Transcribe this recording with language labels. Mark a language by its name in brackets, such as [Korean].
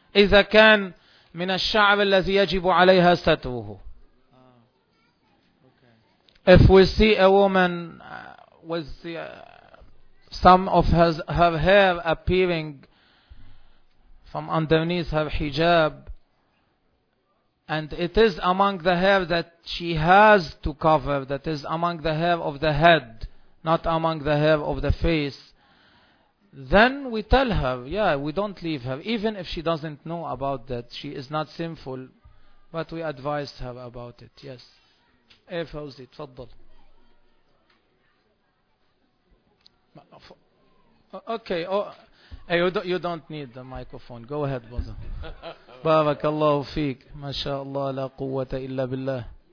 [Arabic] إذا كان من الشعر الذي يجب عليها ستره. [English] Okay. If we see a woman with some of her hair appearing from underneath her hijab, and it is among the hair that she has to cover, that is among the hair of the head, not among the hair of the face, then we tell her, yeah, we don't leave her, even if she doesn't know about that, she is not sinful, but we advise her about it. Yes. Fawzi, [Arabic] تفضل. [English] Okay. Oh, you don't need the microphone. Go ahead, brother. [Arabic] بارك الله فيك ما شاء الله لا قوة إلا بالله.